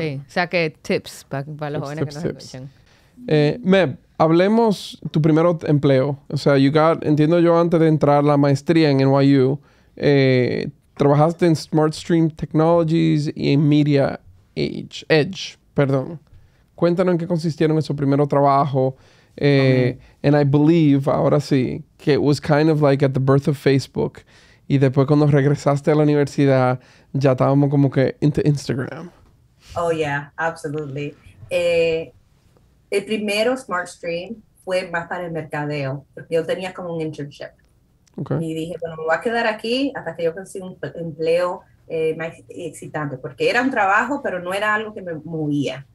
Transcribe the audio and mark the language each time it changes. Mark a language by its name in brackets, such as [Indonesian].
[Spanish] Sí, o sea que tips para los jóvenes que nos escuchan. Meb, hablemos tu primer empleo. O sea, entiendo yo antes de entrar la maestría en NYU, trabajaste en Smart Stream Technologies y en Media Edge. Perdón. Cuéntanos en qué consistieron esos primeros trabajos. [English] And I believe, [Spanish] ahora sí, que [English] it was kind of like at the birth of Facebook. [Spanish] Y después cuando regresaste a la universidad, ya estábamos como que [English] into Instagram. Oh, yeah, absolutely. [Spanish] El primero Smart Stream fue más para el mercadeo, porque yo tenía como un internship. Okay. Y dije, bueno, me voy a quedar aquí hasta que yo consiga un empleo más excitante, porque era un trabajo, pero no era algo que me movía.